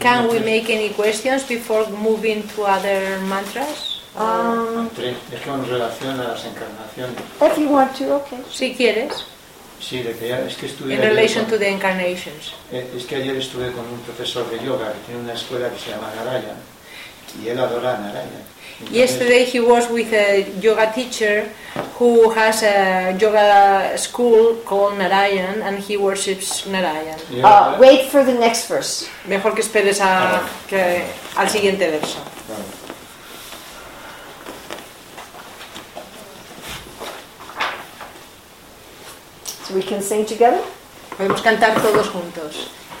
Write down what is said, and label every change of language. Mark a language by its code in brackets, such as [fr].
[en] Can we make any questions before moving to other mantras? [es] Es que en relación a las encarnaciones. [en] If you want to, okay. [es] Si quieres. Sí, de que ya, es que estuve. [en] In relation to the incarnations. [es] Es que ayer estuve con un profesor de yoga que tiene una escuela que se llama Naraya y él adora a Naraya. [en] Yesterday he was with a yoga teacher who has a yoga school called Narayan and he worships Narayan. Wait for the next verse. [es] Mejor que esperes a que al siguiente verso. [en] So we can sing together? [es] Podemos cantar todos juntos.